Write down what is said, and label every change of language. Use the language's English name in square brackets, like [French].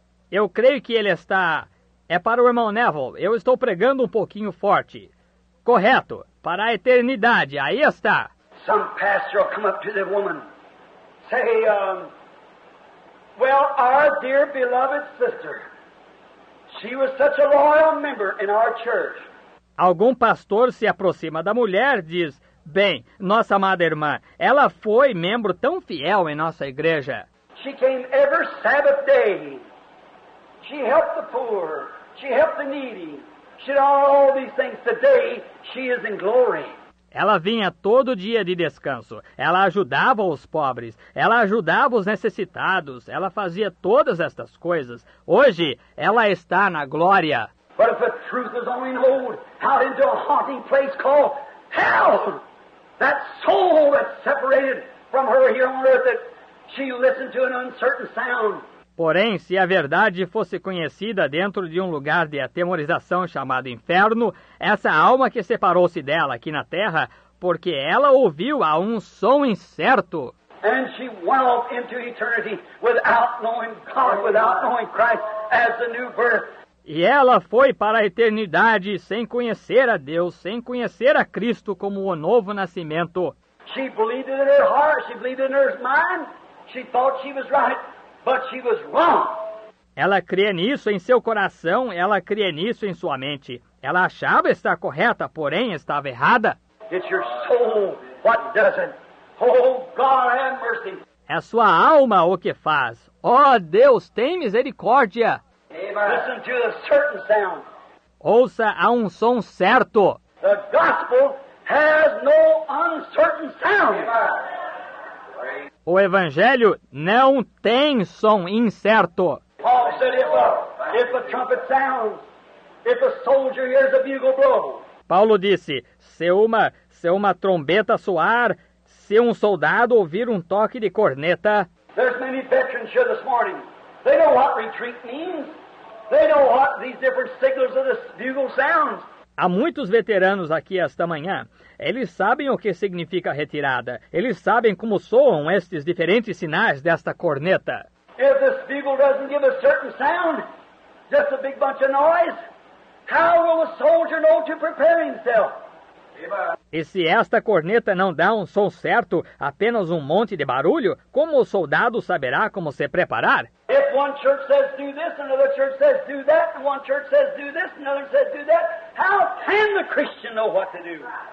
[Portuguese] Eu creio que ele está... É para o irmão Neville. Eu estou pregando um pouquinho forte. Correto. Para a eternidade. Aí está. [English] Some pastor will come up to the woman. Say, well, our dear beloved sister. She was such a loyal member in our church. Algum pastor se aproxima da mulher e diz, bem, nossa amada irmã, ela foi membro tão fiel em nossa igreja. She came every Sabbath day. She helped the poor. She helped the needy. She did all these things. Today, she is in glory. [Portuguese] Ela vinha todo dia de descanso. Ela ajudava os pobres. Ela ajudava os necessitados. Ela fazia todas estas coisas. Hoje, ela está na glória. [English] But if the truth is only known out into a haunting place called hell, that soul that's separated from her here on earth, that she listened to an uncertain sound. [Portuguese] Porém, se a verdade fosse conhecida dentro de um lugar de atemorização chamado inferno, essa alma que separou-se dela aqui na terra, porque ela ouviu a um som incerto. [English] And she went off into eternity without knowing God, without knowing Christ as the new birth. [Portuguese] E ela foi para a eternidade sem conhecer a Deus, sem conhecer a Cristo como o novo nascimento. [English] She believed it in her heart, she believed it in her mind. She thought she was right, but she was wrong. [Portuguese] Ela cria nisso em seu coração, ela cria nisso em sua mente. Ela achava estar correta, porém estava errada. [English] It's your soul what does it. Oh, God, have mercy. [Portuguese] É sua alma o que faz. Oh, Deus, tem misericórdia. [English] Listen to a certain sound. [Portuguese] Ouça a um som certo. [English] The gospel has no uncertain sound. [Portuguese] O evangelho não tem som incerto. [English] Paul said if a trumpet sounds, if a soldier hears a bugle blow. [Portuguese] Paulo disse, se uma trombeta soar, se um soldado ouvir um toque de corneta. [English] There's many veterans here this morning. They know what retreat means. They know what these different signals of the bugle sounds. [Portuguese] Há muitos veteranos aqui esta manhã. Eles sabem o que significa retirada. Eles sabem como soam estes diferentes sinais desta corneta. [English] If this bugle doesn't give a certain sound, just a big bunch of noise, how will a soldier know to prepare himself? [Portuguese] E se esta corneta não dá um som certo, apenas um monte de barulho, como o soldado saberá como se preparar? [English] If one church says do this, another church says do that, and one church says do this, another says do that, how can the Christian know what to do?